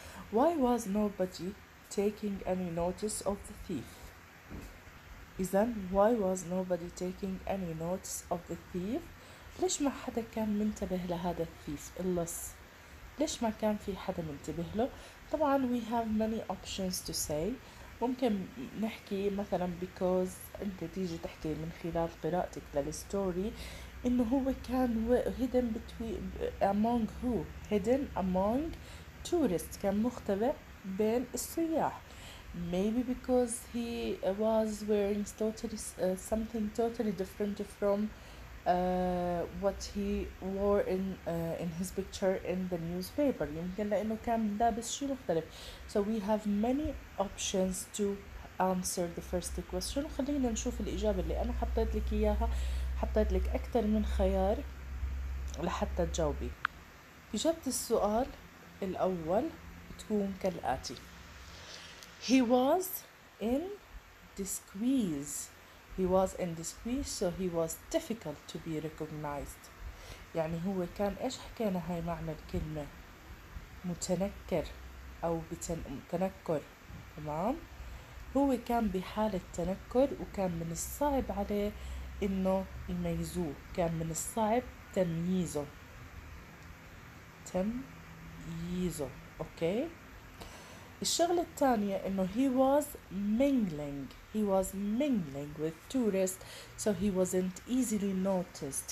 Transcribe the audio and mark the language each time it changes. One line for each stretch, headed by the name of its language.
English: Why was nobody taking any notice of the thief?
Arabic: إذن
English: why was nobody taking any notice of the thief؟
Arabic: ليش ما حدا كان منتبه لهذا الثيف اللص؟ ليش ما كان في حدا منتبه له؟ طبعا
English: we have many options to say.
Arabic: ممكن نحكي مثلا because انت تيجي تحكي من خلال قراءتك للستوري إنه هو كان
English: hidden between among who hidden among tourists،
Arabic: كان مختبئ بين السياح.
English: maybe because he was wearing totally something totally different from what he wore in his picture in the newspaper.
Arabic: يمكن لأنه كان لابس شيء مختلف.
English: so we have many options to answer the first question.
Arabic: خلينا نشوف الإجابة اللي أنا حطيت لك إياها. حطيت لك أكثر من خيار لحتى تجاوبي. إجابة السؤال الأول بتكون كالآتي:
English: He was in disguise. He was in disguise, so he was difficult to be recognized.
Arabic: يعني هو كان إيش حكينا هاي معنى الكلمة؟ متنكر أو متنكر، تمام؟ هو كان بحالة تنكر وكان من الصعب عليه إنه يميزوه، كان من الصعب تمييزه. تمييزه، أوكي؟ الشغلة الثانية إنه
English: he was mingling. He was mingling with tourists, so he wasn't easily noticed.